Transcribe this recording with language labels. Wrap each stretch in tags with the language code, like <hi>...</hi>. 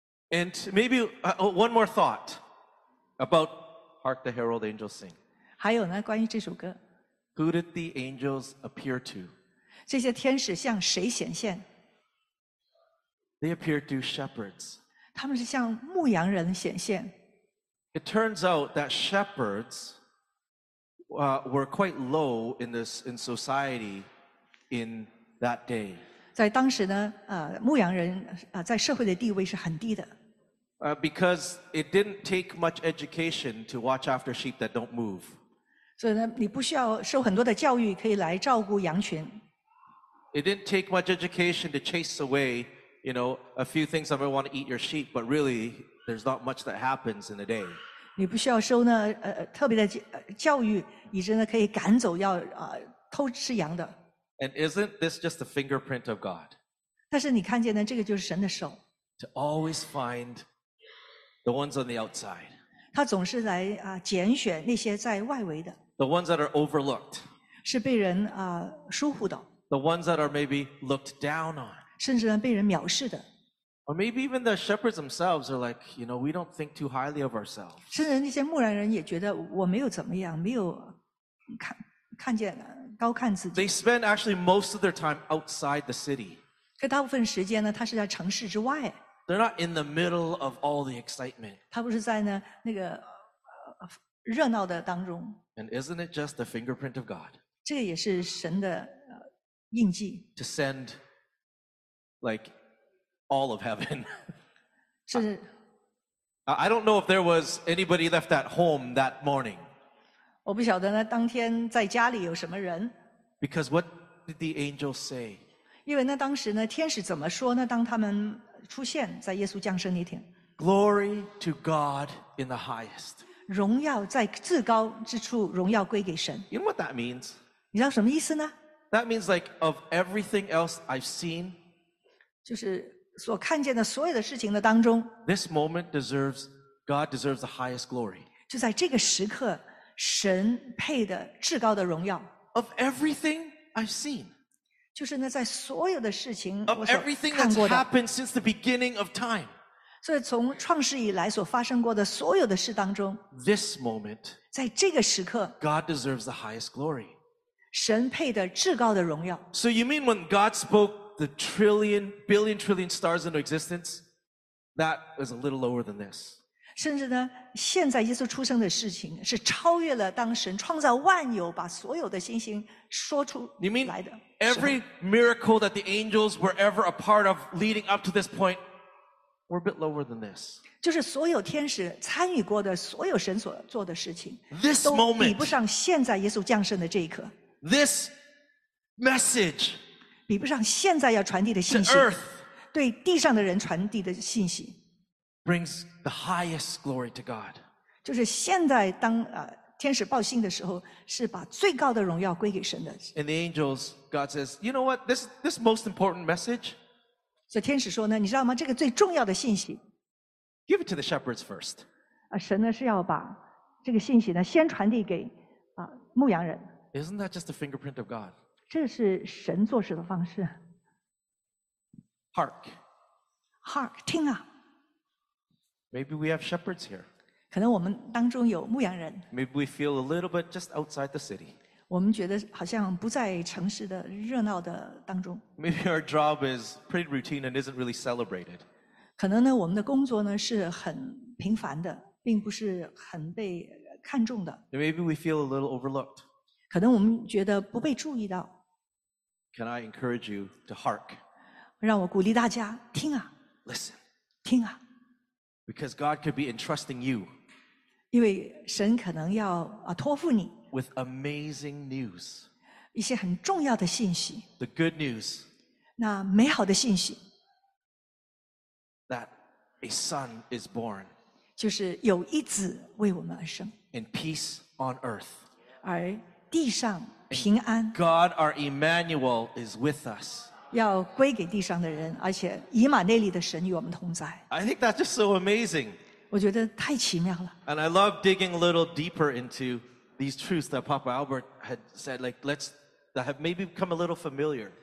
<en>And maybe one more thought about Hark the Herald Angels Sing.</en> <zh>还有呢关于这首歌。</zh> <en>Who did the angels appear to?</en> <zh>这些天使向谁显现?</zh> <en>They appeared to shepherds.</en> <zh>他们是向牧羊人显现。</zh> <en>It turns out that shepherds were quite low in society in that day.</en> <zh>在当时呢，牧羊人在社会的地位是很低的。</zh> <en>Because it didn't take much education to watch after sheep that don't move.</en> <zh>所以呢你不需要受很多的教育可以来照顾羊群。</zh> <en>It didn't take much education to chase away, you know, a few things that might want to eat your sheep, but really, there's not much that happens in a day.</en> <zh>你不需要受呢特别的教育以致呢可以赶走要偷吃羊的。</zh> <en>And isn't this just the fingerprint of God?</en> <zh>但是你看见呢这个就是神的手。</zh> <en>To always find the ones on the outside.</en> <zh>他总是来拣选那些在外围的</zh> <en>The ones that are overlooked</en> <zh>是被人疏忽的</zh> <en>The ones that are maybe looked down on</en> <zh>甚至呢被人藐视的</zh> <en>Or maybe even the shepherds themselves are like, you know, we don't think too highly of ourselves</en> <zh>甚至那些牧羊人也觉得我没有怎么样没有 看见高看自己</zh> <en>They spend actually most of their time outside the city</en> <zh>可大部分时间呢他是在城市之外</zh> <en>They're not in the middle of all the excitement.</en> <zh>他不是在呢那个热闹的当中。</zh> <en>And isn't it just the fingerprint of God?</en> <zh>这个也是神的印记。</zh> <en>To send like all of heaven.</en> <zh>是。</zh> <en>I don't know if there was anybody left at home that morning.</en> <zh>我不晓得呢当天在家里有什么人。</zh> <en>Because what did the angel say?</en> <zh>因为那当时呢天使怎么说呢当他们出现在耶稣降生那天</zh> <en>Glory to God in the highest</en> <zh>荣耀在至高之处荣耀归给神</zh> <en>You know what that means?</en> <zh>你知道什么意思呢</zh> <en>That means like of everything else I've seen,</en> <zh>就是所看见的所有的事情的当中，</zh> <en>this moment deserves, God deserves the highest glory.</en> <zh>就在这个时刻，神配的至高的荣耀。</zh> <en>Of everything I've seen.</en> <zh>就是呢，在所有的事情我所看过的</zh> <en>happened since the beginning of time.</en> <zh>所以从创世以来所发生过的所有的事当中</zh> <en>this moment,</en> <zh>在这个时刻</zh> <en>God deserves the highest glory.</en> <zh>神配的至高的荣耀</zh> <en>So you mean when God spoke the trillion, billion trillion stars into existence, that was a little lower than this.</en> <zh>甚至呢，现在耶稣出生的事情是超越了当神创造万有把所有的星星说出来的。</zh> <en>Every miracle that the angels were ever a part of leading up to this point were a bit lower than this.</en> <zh>就是所有天使参与过的所有神所做的事情</zh> <en>This moment</en> <zh>都比不上现在耶稣降生的这一刻</zh> <en>This message</en> <zh>比不上现在要传递的信息</zh> <en>To earth</en> <zh>对地上的人传递的信息</zh> <en>Brings the highest glory to God.</en> <zh>就是现在当天使报信的时候是把最高的荣耀归给神的</zh> <en>And the angels, God says, you know what, this most important message,</en> <zh>所以天使说呢，你知道吗？这个最重要的信息</zh> <en>give it to the shepherds first.</en> <zh>神呢是要把这个信息呢先传递给牧羊人。</zh> <en>Isn't that just a fingerprint of God?</en> <zh>这是神做事的方式。</zh> <en>Hark.</en> <zh>Hark, 听啊。</zh> <en>Maybe we have shepherds here.</en> <zh>可能我们当中有牧羊人。</zh> <en>Maybe we feel a little bit just outside the city.</en> <zh>我们觉得好像不在城市的热闹的当中。</zh> <en>Maybe our job is pretty routine and isn't really celebrated.</en> <zh>可能呢，我们的工作呢是很平凡的，并不是很被看重的。</zh> <en>Maybe we feel a little overlooked.</en> <zh>可能我们觉得不被注意到。</zh> <en>Can I encourage you to hark?</en> <zh>让我鼓励大家听啊。</zh> <en>Listen.</en> <zh>听啊。</zh> <en>Because God could be entrusting you,</en> <zh>因为神可能要托付你</zh> <en>with amazing news,</en> <zh>一些很重要的信息</zh> <en>the good news,</en> <zh>那美好的信息</zh> <en>that a son is born,</en> <zh>就是有一子为我们而生</zh> <en>in peace on earth,</en> <zh>而地上平安</zh> <en>God our Emmanuel is with us.</en> <zh>要归给地上的人，而且以马内利的神与我们同在。</zh> <en>I think that's just so amazing.</en> <zh>我觉得太奇妙了。</zh> <en>And I love digging a little deeper into these truths that Papa Albert had said, like let's that have maybe become a little familiar.</en>